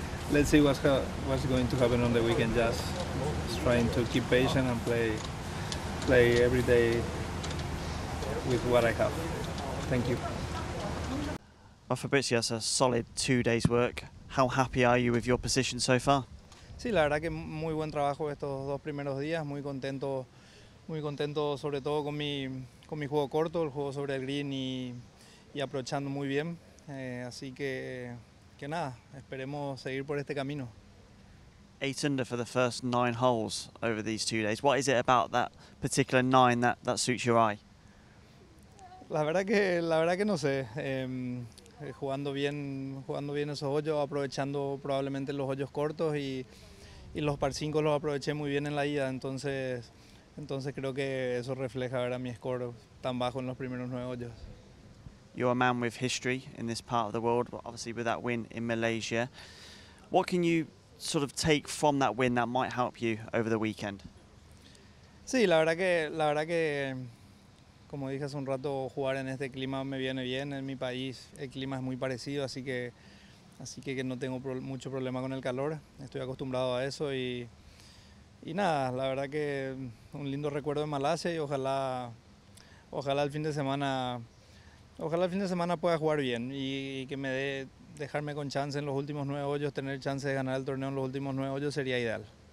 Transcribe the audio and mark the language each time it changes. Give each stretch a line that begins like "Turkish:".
English: Let's see what's going to happen on the weekend. Just trying to keep patient and play every day with what I have. Thank you. Well, Fabrizio, that's a solid 2 days' work. How happy are you with your position so far?
Spanish: Sí, la verdad que muy buen trabajo estos dos primeros días. Muy contento, sobre todo con mi juego corto, el juego sobre el green y aprovechando muy bien. Así que nada, esperemos seguir por este camino.
English: 8 under for the first 9 holes over these 2 days. What is it about that particular 9 that suits your eye?
Spanish: La verdad que no sé. Jugando bien esos hoyos, aprovechando probablemente los hoyos cortos y los par 5 los aproveché muy bien en la ida, entonces creo que eso refleja ahora mi score tan bajo en los primeros 9 hoyos.
English: You're a man with history in this part of the world, but obviously with that win in Malaysia. What can you sort of take from that win that might help you over the weekend?
Spanish: Sí, la verdad que como dije hace un rato, jugar en este clima me viene bien. En mi país el clima es muy parecido, así que no tengo mucho problema con el calor. Estoy acostumbrado a eso y nada, la verdad que un lindo recuerdo de Malasia y ojalá el fin de semana pueda jugar bien y que me dé dejarme con chance en los últimos 9 hoyos, tener chance de ganar el torneo en los últimos 9 hoyos sería ideal.